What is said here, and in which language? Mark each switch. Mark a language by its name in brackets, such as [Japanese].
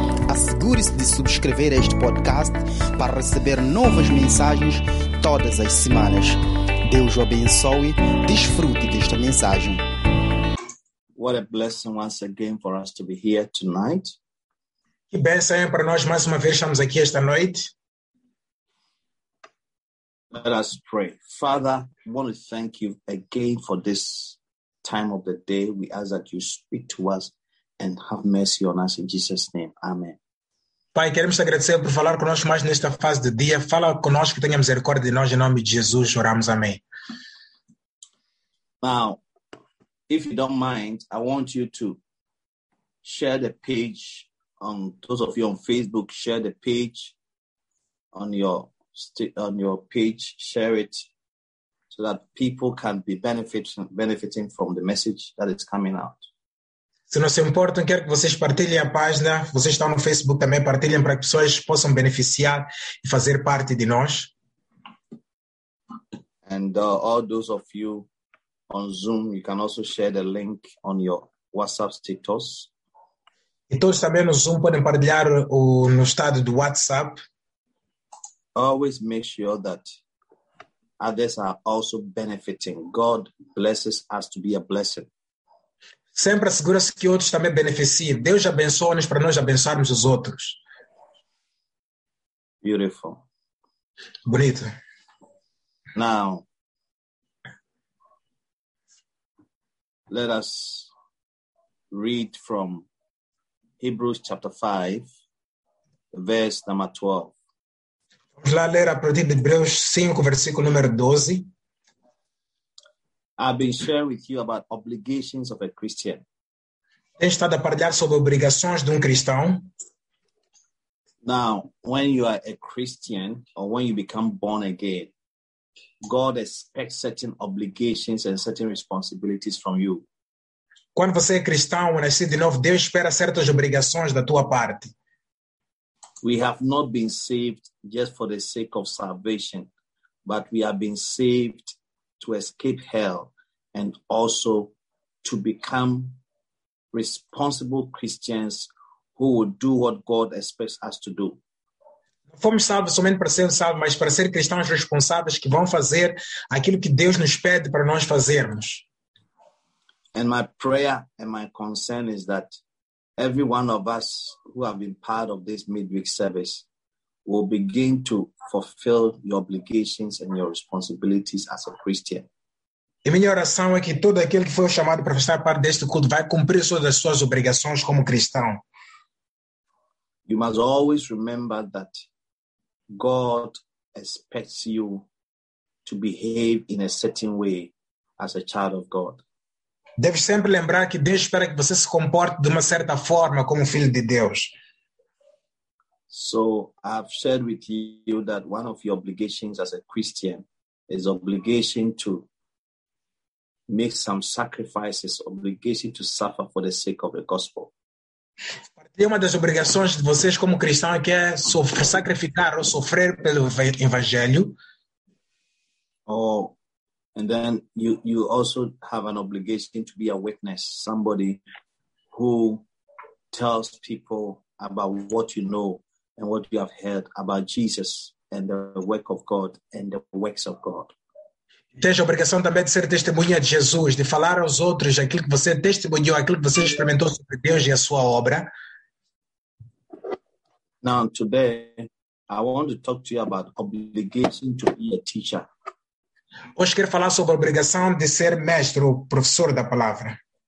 [Portuguese] Assegure-se de subscrever este podcast para receber novas mensagens todas as semanas. Deus o abençoe. Desfrute desta mensagem. [English] What a blessing once again for us to be here tonight. [Portuguese] Que bênção para nós mais uma vez estamos aqui esta noite. [English] Let us pray. Father, I want to thank you again for this time of the day. We ask that you speak to us and have mercy on us in Jesus' name. Amen. [Portuguese] Pai, queremos agradecer por falar conosco mais nesta fase de dia. Fala conosco que tenhamos recorde de nós em nome de Jesus. Oramos. Amém. [English] Now, if you don't mind, I want you to share the page. Those of you on Facebook, share the page on your page, share it so that people can be benefiting from the message that is coming out. [Portuguese] Se não se importam, quero que vocês partilhem a página. Vocês estão no Facebook também, partilhem para que pessoas possam beneficiar e fazer parte de nós. [English] And all those of you on Zoom, you can also share the link on your WhatsApp status. [Portuguese] E todos também no Zoom podem partilhar no estado do WhatsApp. [English] Always make sure that others are also benefiting. God blesses us to be a blessing. [Portuguese] Sempre assegura-se que outros também beneficiem. Deus abençoa-nos para nós abençoarmos os outros. [English] Beautiful. [Portuguese] Bonito. [English] Now, let us read from Hebrews chapter 5, verse number 12. [Portuguese] Vamos lá ler a partir de Hebreus 5, versículo número 12. [English] I've been sharing with you about obligations of a Christian. [Portuguese] Tenho estado a partilhar sobre obrigações de cristão. [English] Now, when you are a Christian, or when you become born again, God expects certain obligations and certain responsibilities from you. [Portuguese] Quando você é cristão, nasce de novo, Deus espera certas obrigações da tua parte. [English] We have not been saved just for the sake of salvation, but we have been saved to escape hell and also to become responsible Christians who will do what God expects us to do. [Portuguese] Não fomos salvos somente para ser salvos, mas para ser cristãos responsáveis que vão fazer aquilo que Deus nos pede para nós fazermos. [English] And my prayer and my concern is that every one of us who have been part of this midweek service will begin to fulfill your obligations and your responsibilities as a Christian. [Portuguese] E minha oração é que todo aquele que foi chamado para estar parte deste culto vai cumprir todas as suas obrigações como cristão. [English] You must always remember that God expects you to behave in a certain way as a child of God. [Portuguese] Deve sempre lembrar que Deus espera que você se comporte de uma certa forma como filho de Deus. [English] So, I've shared with you that one of your obligations as a Christian is obligation to make some sacrifices, obligation to suffer for the sake of the gospel. [Portuguese] Partilhei uma das obrigações de vocês como cristão que é sacrificar ou sofrer pelo evangelho. [English] And then you also have an obligation to be a witness, somebody who tells people about what you know and what you have heard about Jesus and the work of God and the works of God. [Portuguese] Tens a obrigação também de ser testemunha de Jesus, de falar aos outros aquilo que você testemunhou, aquilo que você experimentou sobre Deus e a sua obra. [English] Now, today, I want to talk to you about obligation to be a teacher. [Portuguese] Hoje quero falar sobre a obrigação de ser mestre, professor da palavra.